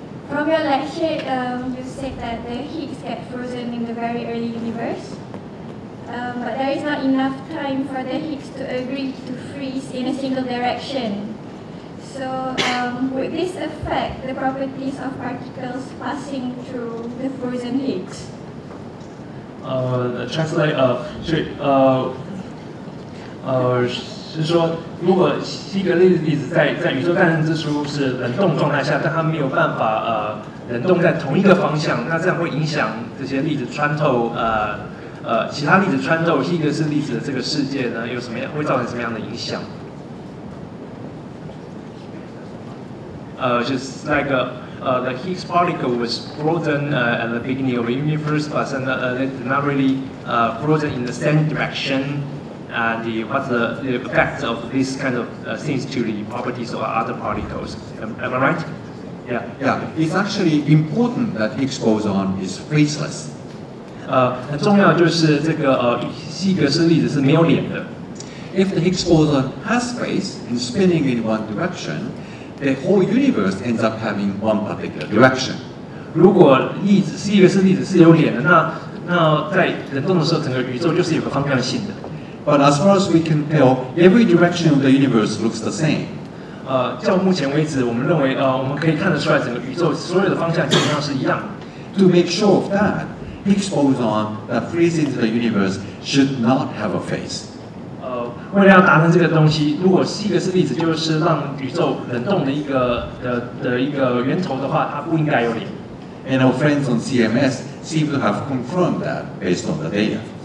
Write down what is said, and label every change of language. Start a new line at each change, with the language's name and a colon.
English: From your lecture, you said that the Higgs get frozen in the very early universe. But there is not enough time for the Higgs to agree to freeze in a single direction. So, would this affect the properties of particles passing through the frozen Higgs? Translate,
Chinese: 是说，如果希格粒子在宇宙诞生之初是冷冻状态下，但它没有办法冷冻在同一个方向，那这样会影响这些粒子穿透其他粒子穿透性的是粒子的这个世界呢，有什么样会造成什么样的影响？
English: Just like the Higgs particle was frozen at the beginning of the universe, but not really frozen in the same direction. And what's the effect of this kind of things to the properties of other particles? Am I right? Yeah. It's actually important that Higgs boson is faceless.
Chinese: 很重要就是这个希格斯粒子是没有脸的。
English: If the Higgs boson has face and spinning in one direction. The whole universe ends up having one particular direction.
Chinese: 如果粒子是一个是粒子是有脸的，那在振动的时候，整个宇宙就是有个方向性的。
English: But as far as we can tell, every direction of the universe looks the same.
Chinese: 到目前为止，我们认为我们可以看得出来，整个宇宙所有的方向基本上是一样的。
English: To make sure of that, Higgs boson that freezes into the universe should not have a face.
Chinese: 为了要达成这个东西，如果希格斯粒子就是让宇宙冷冻的一个源头的话，它不应该有脸。
English: And our friends on CMS seem to have confirmed that based on the data.